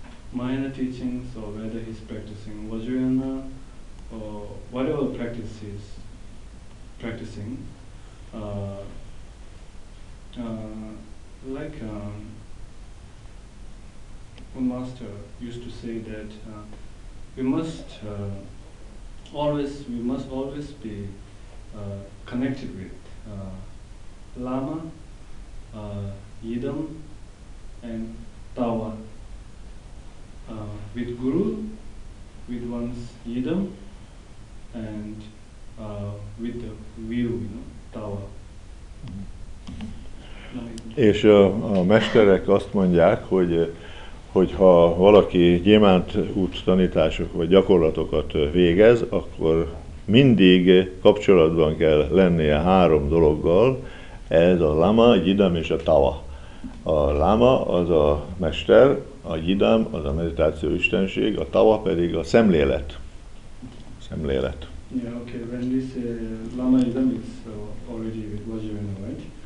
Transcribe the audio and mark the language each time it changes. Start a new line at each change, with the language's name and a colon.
English: Mahayana teachings or whether he's practicing Vajrayana or whatever practice he's practicing, one master used to say that we must always be connected with Lama, Yidam, and Tawa. With Guru, with one's Yidam, and with the view, you know, Tawa.
Hungarian: És a mesterek azt mondják, hogyha valaki gyémánt út tanítások vagy gyakorlatokat végez, akkor mindig kapcsolatban kell lennie három dologgal, ez a lama, a jidam és a tava. A lama az a mester, a jidam az a meditáció istenség, a tava pedig a szemlélet. Szemlélet.
English: Yeah, okay, when this lama jidam is already with Vajrayana, right?